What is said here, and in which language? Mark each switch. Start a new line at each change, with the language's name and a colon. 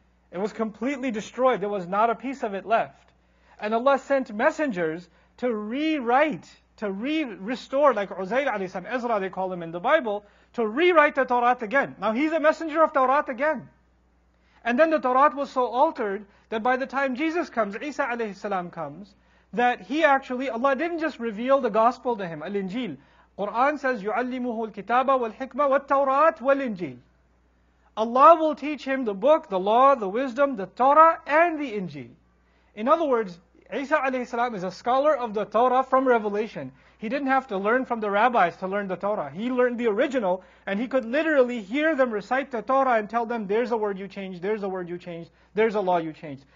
English: It was completely destroyed, there was not a piece of it left. And Allah sent messengers to rewrite, to restore, like Uzair alayhi salam, Ezra they call him in the Bible, to rewrite the Torah again. Now he's a messenger of Torah again. And then the Torah was so altered that by the time Jesus comes, Isa alayhi salam comes, that he actually, Allah didn't just reveal the gospel to him, al-Injil.
Arabic: Quran says, يُعَلِّمُهُ الْكِتَابَ وَالْحِكْمَةَ وَالتَّوْرَاةَ وَالْإِنْجِيلِ.
English: Allah will teach him the book, the law, the wisdom, the Torah and the Injil. In other words, Isa alayhi salam is a scholar of the Torah from Revelation. He didn't have to learn from the rabbis to learn the Torah. He learned the original, and he could literally hear them recite the Torah and tell them, there's a word you changed, there's a word you changed, there's a law you changed.